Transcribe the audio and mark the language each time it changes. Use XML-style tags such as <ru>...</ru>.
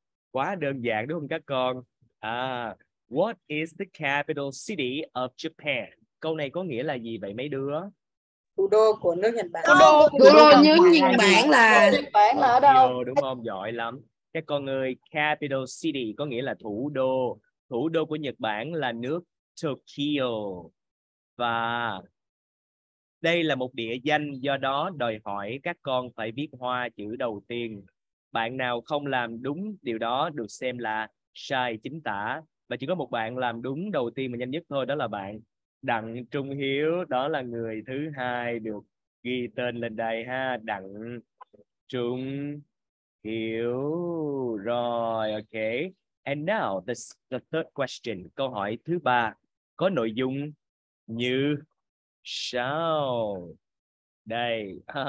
<vi>Quá đơn giản đúng không các con?</vi> <en>À, what is the capital city of Japan?</en> <vi>Câu này có nghĩa là gì vậy mấy đứa? Thủ đô của nước Nhật Bản. Thủ đô như Nhật Bản là ở đâu? Tokyo, đúng không? Giỏi lắm. Các con ơi, capital city có nghĩa là thủ đô. Thủ đô của Nhật Bản là nước Tokyo. Và đây là một địa danh, do đó đòi hỏi các con phải viết hoa chữ đầu tiên. Bạn nào không làm đúng điều đó được xem là sai chính tả. Và chỉ có một bạn làm đúng đầu tiên mà nhanh nhất thôi, đó là bạn Đặng Trung Hiếu, đó là người thứ hai được ghi tên lên đây ha. Đặng Trung Hiếu. Rồi, ok.</vi> <en>And now the third question.</en> <vi>Câu hỏi thứ ba có nội dung như sau. Đây.</vi>